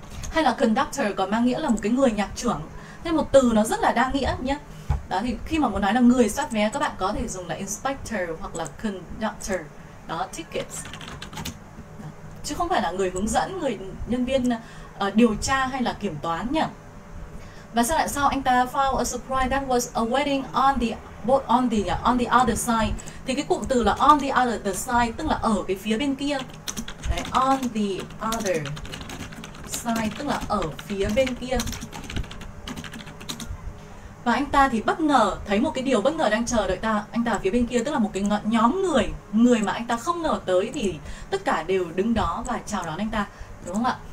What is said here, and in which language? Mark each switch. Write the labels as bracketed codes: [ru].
[vi] Hay là conductor còn mang nghĩa là một cái người nhạc trưởng. Thế một từ nó rất là đa nghĩa nhé. Đó, thì khi mà muốn nói là người soát vé, các bạn có thể dùng là inspector hoặc là conductor. Đó, tickets. Chứ không phải là người hướng dẫn, người nhân viên điều tra hay là kiểm toán nhỉ. Và sau lại sau anh ta [en] found a surprise that was awaiting on the boat on the other side. [vi] Thì cái cụm từ là [en] on the other the side, [vi] tức là ở cái phía bên kia. Đấy, [en] on the other side, [vi] tức là ở phía bên kia. Và anh ta thì bất ngờ thấy một cái điều bất ngờ đang chờ đợi ta. Anh ta ở phía bên kia, tức là một cái nhóm người, người mà anh ta không ngờ tới, thì tất cả đều đứng đó và chào đón anh ta, đúng không ạ?